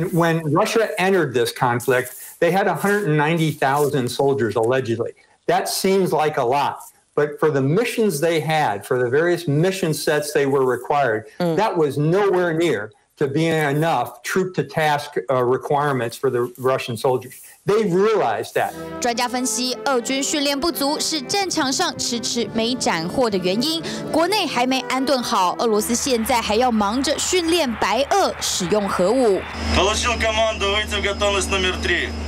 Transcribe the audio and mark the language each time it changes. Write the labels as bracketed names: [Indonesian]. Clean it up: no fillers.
[English] When Russia entered this conflict, they had 190,000 soldiers allegedly. That seems like a lot. But for the missions they had, for the various mission sets they were required, that was nowhere near to being enough troop to task requirements for the Russian soldiers. They realized that. [Chinese] 专家分析，俄军训练不足是战场上迟迟没斩获的原因。国内还没安顿好，俄罗斯现在还要忙着训练白俄使用核武。 [Russian] Получил команду выйти в готовность номер три.